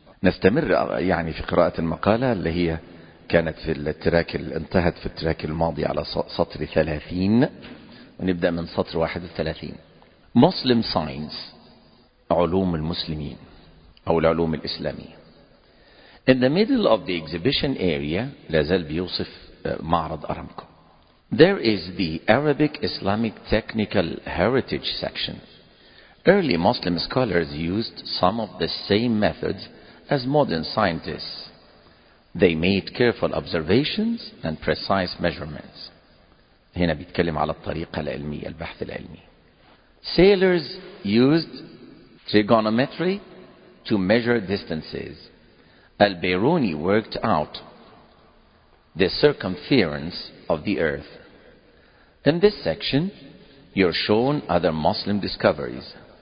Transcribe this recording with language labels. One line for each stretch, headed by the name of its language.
Arabic: نستمر يعني في قراءة المقالة اللي هي كانت في التراك انتهت في التراك الماضي على سطر 30 ونبدأ من سطر 31.
English: Muslim science,
Arabic: علوم المسلمين أو العلوم الإسلامية.
English: In the middle of the exhibition area,
Arabic: لازال بيوصف معرض أرامكو.
English: There is the Arabic Islamic Technical Heritage section. Early Muslim scholars used some of the same methods as modern scientists. They made careful observations and precise measurements.
Arabic: هنا بيتكلم على الطريقة العلمية، البحث العلمي.
English: Sailors used trigonometry to measure distances. Al-Biruni worked out the circumference of the earth. In this section, you're shown other Muslim discoveries.